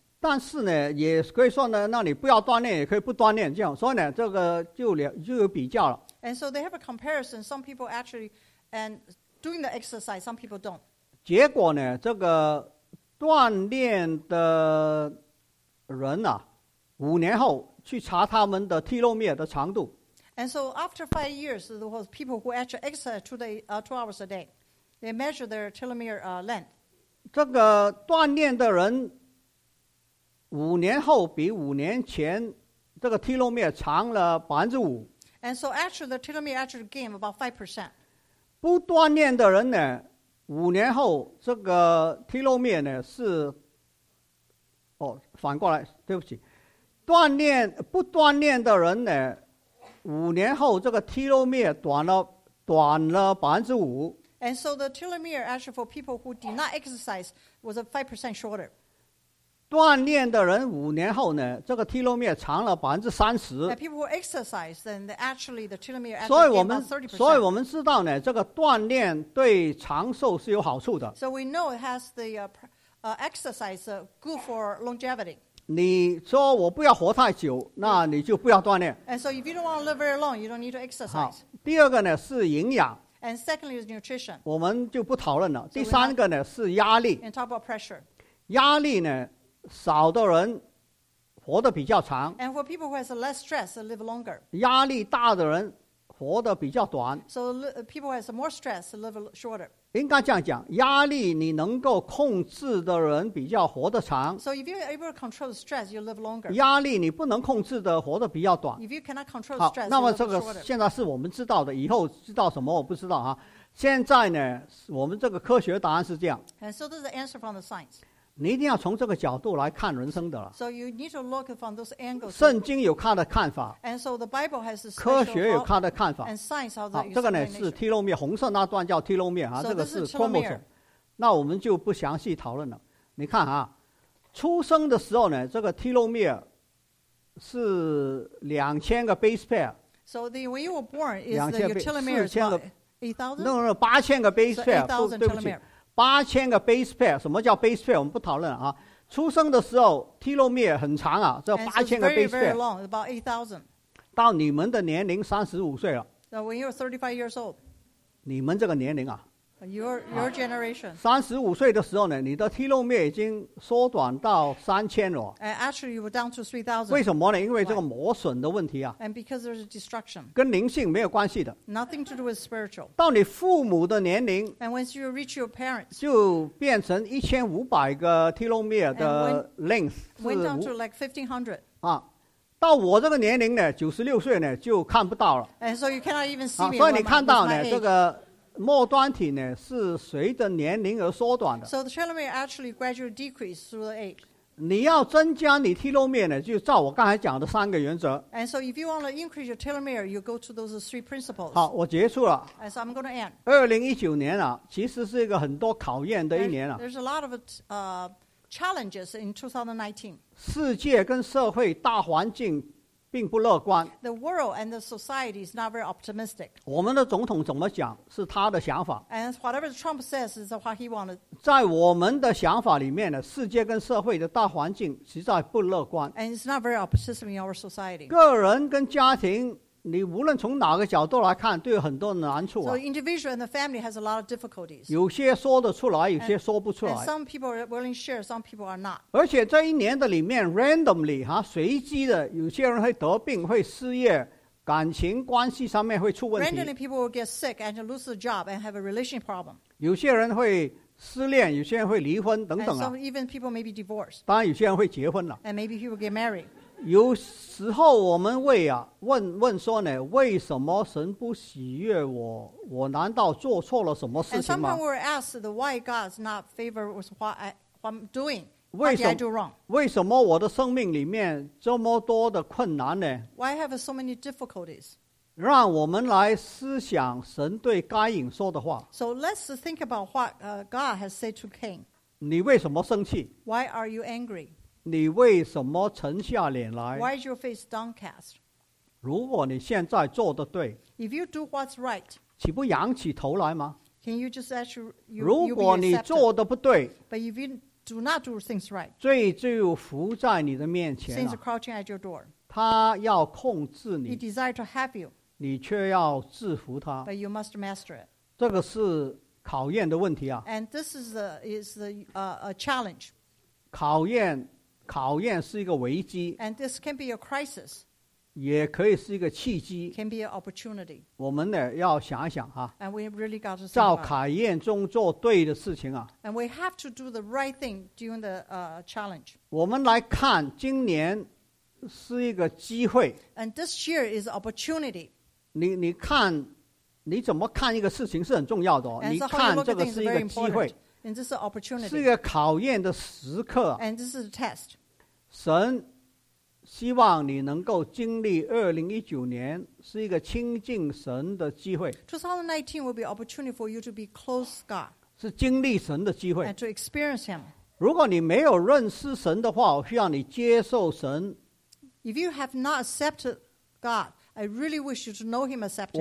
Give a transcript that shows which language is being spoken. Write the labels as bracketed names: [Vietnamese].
[Chinese] 但是呢，也可以说呢，那你不要锻炼，也可以不锻炼，这样，所以呢，这个就有比较了。 [English] And so they have a comparison. Some people actually and doing the exercise, some people don't. [Chinese] 结果呢，这个锻炼的人啊，五年后去查他们的肌肉面的长度。 [English] And so after 5 years, there was people who actually exercise two hours a day. They measure their telomere length. [Chinese] 这个锻炼的人五年后比五年前这个肌肉面长了5%。 [English] And so actually the telomere actually gained about 5%. [Chinese] 不锻炼的人呢，五年后这个肌肉面呢是，哦，反过来，对不起，不锻炼的人呢，五年后这个肌肉面短了5%。 [English] And so the telomere actually for people who did not exercise was a 5% shorter. [Chinese] 锻炼的人五年后呢，这个肌肉面长了30%。 [English] And people who exercise, then actually the telomere actually gained about 30%. [Chinese] 所以我们知道呢，这个锻炼对长寿是有好处的。 [English] So we know it has the exercise good for longevity. [Chinese] 你说我不要活太久，那你就不要锻炼。 [English] And so if you don't want to live very long, you don't need to exercise. [Chinese] 好，第二个呢是营养。 [English] And secondly is nutrition. [Chinese] 我们就不讨论了。第三个呢是压力。 [English] And talk about pressure. [Chinese] 压力呢？少的人活得比较长 [English] and for people who has less stress live longer [Chinese] 压力大的人活得比较短 [English] so people who has more stress live shorter [Chinese] 应该这样讲压力你能够控制的人比较活得长 [English] so if you're able to control stress you live longer [Chinese] 压力你不能控制的活得比较短 [English] if you cannot control stress you live shorter [Chinese] 好那么这个现在是我们知道的以后知道什么我不知道啊现在呢我们这个科学答案是这样 [English] and so this is the answer from the science [Chinese] 你一定要从这个角度来看人生的了。 [English] So you need to look from those angles. [Chinese] 圣经有它的看法。 [English] And so the Bible has a special. [Chinese] 科学有它的看法。 [English] And science how the. [Chinese] 这个呢是肌肉面，红色那段叫肌肉面啊，这个是 [English] chromosome。 [Chinese] 那我们就不详细讨论了。你看啊，出生的时候呢，这个肌肉面是2000个 base pair。 [English] So the when you were born is the telomere 8000。 [Chinese] 那8000个 base pair， 对不起。8000个 base pair， 什么叫 base pair？ 我们不讨论啊。出生的时候 telomere 很长啊，这8000个 base pair。 [English] Very long, about 8000。 [Chinese] 到你们的年龄35岁了。 [English] So when you're 35 years old。 [Chinese] 你们这个年龄啊。 [English] Your generation。 [Chinese] 35岁的时候呢，你的 telomere 已经缩短到3000了。 [English] And actually, you were down to 3000。 [Chinese] 为什么呢？因为这个磨损的问题啊。 [English] And because there's a destruction。 [Chinese] 跟灵性没有关系的。 [English] Nothing to do with spiritual。 [Chinese] 到你父母的年龄。 [English] And once you reach your parents。 [Chinese] 就变成1500个 telomere 的 length。 [English] Went down to like 1500。啊。 [Chinese] 到我这个年龄呢，96岁呢，就看不到了。 [English] And so you cannot even see me。 [Chinese] 所以你看到呢，这个。末端体呢是随着年龄而缩短的。 [English] So the telomere actually gradually decreases through the age. [Chinese] 你要增加你 telomere 呢，就照我刚才讲的三个原则。 [English] And so if you want to increase your telomere, you go to those three principles. [Chinese] 好，我结束了。 [English] And so I'm going to end. [Chinese] 2019年啊，其实是一个很多考验的一年啊。 [English] There's a lot of challenges in 2019. [Chinese] 世界跟社会大环境。并不乐观。 [English] The world and the society is not very optimistic. [Chinese] 我们的总统怎么讲是他的想法。 [English] And whatever Trump says is what he wanted. [Chinese] 在我们的想法里面呢，世界跟社会的大环境实在不乐观。 [English] And it's not very optimistic in our society. [Chinese] 个人跟家庭，你无论从哪个角度来看，都有很多难处啊。 [English] So individual and the family has a lot of difficulties. [Chinese] 有些说得出来，有些说不出来。 [English] And some people are willing to share, some people are not. [Chinese] 而且这一年的里面 ，randomly 哈、啊，随机的，有些人会得病，会失业，感情关系上面会出问题。 [English] Randomly, people will get sick and lose the job and have a relationship problem. [Chinese] 有些人会失恋，有些人会离婚等等啊。 [English] And some even people may be divorced. [Chinese] 当然，有些人会结婚了。 [English] And maybe people get married. [Chinese] 有时候我们为啊问问说呢，为什么神不喜悦我？我难道做错了什么事情吗 [English] ？And sometimes we're asked the why God's not favor with what I'm doing. What did I do wrong? [Chinese] 为什么我的生命里面这么多的困难呢 [English] ？Why have so many difficulties? [Chinese] 让我们来思想神对该隐说的话。 [English] So let's think about what God has said to Cain. [Chinese] 你为什么生气 [English] ？Why are you angry? [Chinese] 你为什么沉下脸来 [English] ？Why is your face downcast？ [Chinese] 如果你现在做的对 [English] ，If you do what's right， [Chinese] 岂不仰起头来吗 [English] ？Can you just ask you？ [Chinese] 如果你做的不对 [English] ，But if you do not do things right. [Chinese] 罪就伏在你的面前啊, [English] sin is crouching at your door. [Chinese] 他要控制你, [English] he desires to have you. [Chinese] 你却要制服他, [English] but you must master it. [Chinese] 这个是考验的问题啊, [English] and this is a challenge. [Chinese] 考验是一个危机, [English] and this can be a crisis. [Chinese] 也可以是一个契机, [English] can be an opportunity. [Chinese] 我们呢要想一想啊, [English] and we really got to [Chinese] 照考验中做对的事情啊, [English] and we have to do the right thing during the challenge. [Chinese] 我们来看今年是一个机会, [English] and this year is an opportunity. [Chinese] 你看你怎么看一个事情是很重要的哦, [English] so [Chinese] 你看这个是一个机会, [English] and this is an opportunity. [Chinese] 是一个考验的时刻, [English] and this is a test. [Chinese] 神 希望你能够经历2019年是一个亲近神的机会。 [English] 2019 will be an opportunity for you to be close to God. [Chinese] 是经历神的机会。 [English] And to experience Him. [Chinese] 如果你没有认识神的话, 我需要你接受神。 [English] If you have not accepted God, I really wish you to know Him, accept Him.